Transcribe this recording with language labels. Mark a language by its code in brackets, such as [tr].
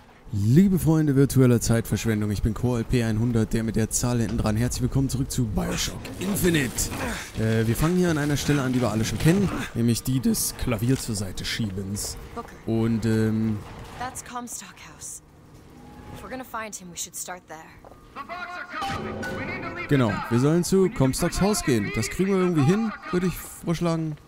[de] Liebe Freunde virtueller Zeitverschwendung, ich bin CoreLP100, der mit der Zahl hinten dran. Herzlich willkommen zurück zu Bioshock Infinite. Wir fangen hier an einer Stelle an, die wir alle schon kennen, nämlich die des Klavier zur Seite schiebens. Und [en] That's Comstock House. If we're gonna find him, we should start there. [de] Genau, wir sollen zu Comstocks Haus gehen. Das kriegen wir irgendwie hin, würde ich vorschlagen.